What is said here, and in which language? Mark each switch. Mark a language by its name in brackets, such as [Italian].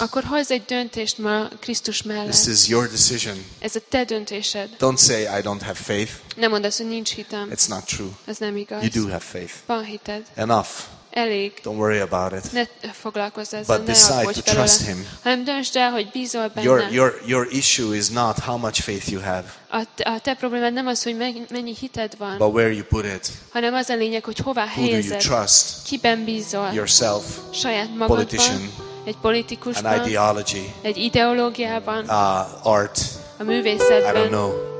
[Hungarian] Akkor hozz egy döntést ma Krisztus mellett. [English] This is your decision. [Hungarian] Ez a te döntésed. [English] Don't say I don't have faith. [Hungarian] Nem mondd azt, hogy nincs hitem. [English] It's not true. [Hungarian] Ez nem igaz. [English] You do have faith. [Hungarian] Van hited. [English] Enough. [Hungarian] Elég. [English] Don't worry about it. [Hungarian] Ne foglalkozz ezzel. [English] But decide to trust him. [Hungarian] Hanem döntsd el, hogy bízol benne. [English] Your issue is not how much faith you have. [Hungarian] A te problémád nem az, hogy mennyi hited van. [English] But where you put it. [Hungarian] Hanem az a lényeg, hogy hová helyezed. [English] Who do you trust? [Hungarian] Kiben bízol? [English] Yourself. [Hungarian] Saját magadban. [English] Politician. [Hungarian] Egy politikusban, [English] an ideology, [Hungarian] egy ideológiában, [English] art, [Hungarian] a művészetben, [English] I don't know,